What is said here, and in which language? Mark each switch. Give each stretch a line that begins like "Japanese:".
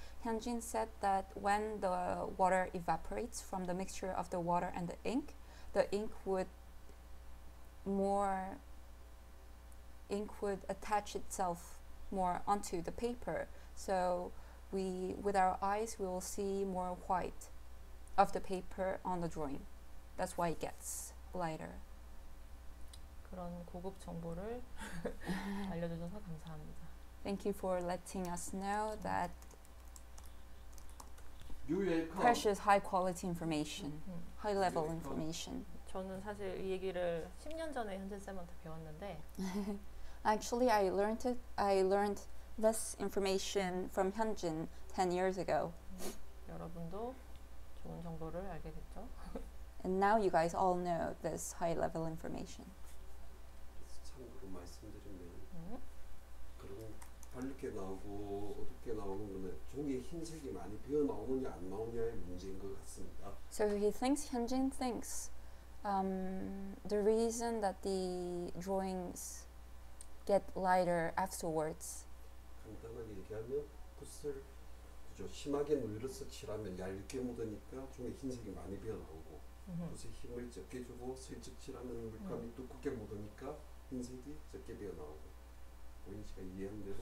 English: Hyunjin said that when the water evaporates from the mixture of the water and the ink would more ink would attach itself more onto the paper. So we with our eyes we will see more white of the paper on the drawing. That's why it gets lighter.
Korean: 그런 고급 정보를 알려주셔서 감사합니다.
English: Thank you for letting us know that You're precious high quality information, high level information.
Korean: 저는 사실 이 얘기를 10년 전에 현진 쌤한테 배웠는데.
English: Actually, I learned it. I learned this information from Hyunjin 10 years ago.
Korean: 여러분도 좋은 정보를 알게 됐죠.
English: And now you guys all know this high level information.
Korean: 참고로 말씀드리면, 그리고 밝게 나오고 어둡게 나오는 거는 종이 흰색이 많이 비어 나오느냐 안 나오느냐의 문제인 것 같습니다.
English: So he thinks Hyunjin thinks the reason that the drawings get lighter afterwards.
Korean: 간단하게 얘기하면 붓을 그저 심하게 누르서 칠하면 얇게 묻으니까 종이 흰색이 많이 비어 나오고. 붓에 힘을 적게 주고 슬쩍 칠하면 물감이 두껍게 묻으니까 흰색이 적게 비어 나오고 고인 씨가 이해한 대로